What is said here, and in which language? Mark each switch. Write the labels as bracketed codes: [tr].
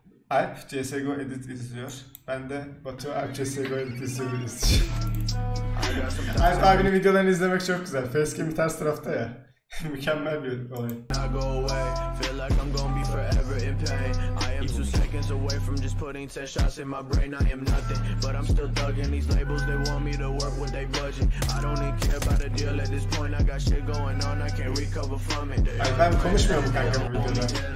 [tr] Alp CSGO Edit izliyor. Ben de Batu Alp CSGO Edit izliyorum. Alp abinin videolarını izlemek çok güzel. Facecam bir ters tarafta ya. Mükemmel bir olay. [en] I'm two seconds away from just putting 10 shots in my brain. I am nothing, but I'm still thugging these labels. They want me to work with they budget. I don't even care about a deal at this point. I got shit going on. I can't recover from it. [tr] Ay ben konuşmuyorum kanka bu videoda.